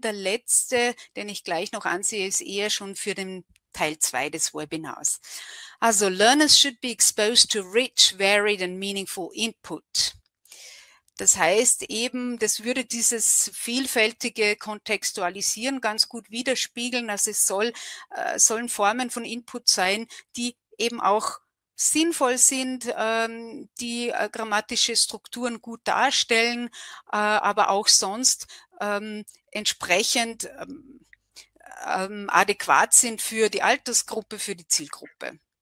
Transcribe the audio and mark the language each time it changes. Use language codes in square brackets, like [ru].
[de] Der letzte, den ich gleich noch ansehe, ist eher schon für den Teil 2 des Webinars. [en] Also, Learners should be exposed to rich, varied and meaningful input. [de] Das heißt eben, das würde dieses vielfältige Kontextualisieren ganz gut widerspiegeln. Also es sollen Formen von Input sein, die eben auch sinnvoll sind, die grammatische Strukturen gut darstellen, aber auch sonst entsprechend adäquat sind für die Altersgruppe, für die Zielgruppe.